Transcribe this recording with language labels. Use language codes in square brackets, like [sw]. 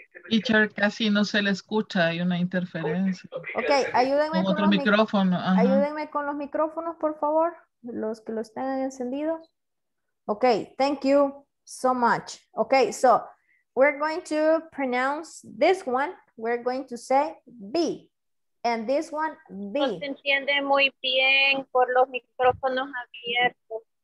[es] Teacher, casi no se le escucha, hay una interferencia. Ok, ayúdenme con otro micrófono. Ajá. Ayúdenme con los micrófonos, por favor, los que los tengan encendidos. [en] Ok, thank you so much. Ok, so we're going to pronounce this one, we're going to say B, and this one B. [es] No se entiende muy bien por los micrófonos abiertos.